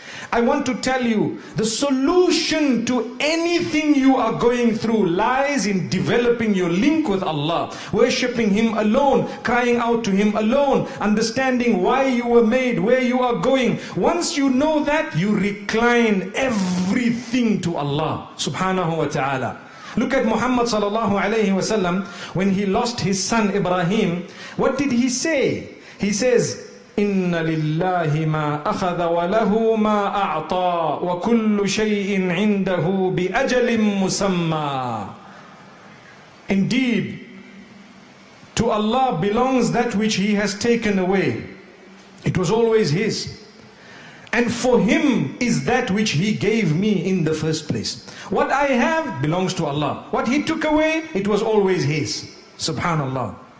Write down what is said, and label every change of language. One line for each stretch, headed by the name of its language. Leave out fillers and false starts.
English: I want to tell you, the solution to anything you are going through lies in developing your link with Allah, worshipping Him alone, crying out to Him alone, understanding why you were made, where you are going. Once you know that, you recline everything to Allah subhanahu wa ta'ala. Look at Muhammad sallallahu alayhi wa sallam, when he lost his son Ibrahim, what did he say? He says,
Arabic: إِنَّ لِلَّهِ مَا أَخَذَ وَلَهُ مَا أَعْطَى وَكُلُّ شَيْءٍ عِنْدَهُ بِأَجَلٍ مُسَمَّى.
English: Indeed, to Allah belongs that which He has taken away. It was always His. And for Him is that which He gave me in the first place. What I have belongs to Allah. What He took away, it was always His. Subhanallah.